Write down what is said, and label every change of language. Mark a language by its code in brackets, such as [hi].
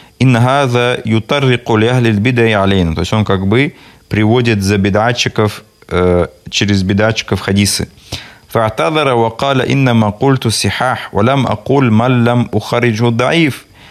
[ar] إن هذا يطرق لأهل البدع علينا. [ru] То есть он как бы приводит за бидатчиков, через бидатчиков хадисы. [ar] فاعتذر وقال إنما قلت صحاح ولم أقول من لم أخرجه ضعيف.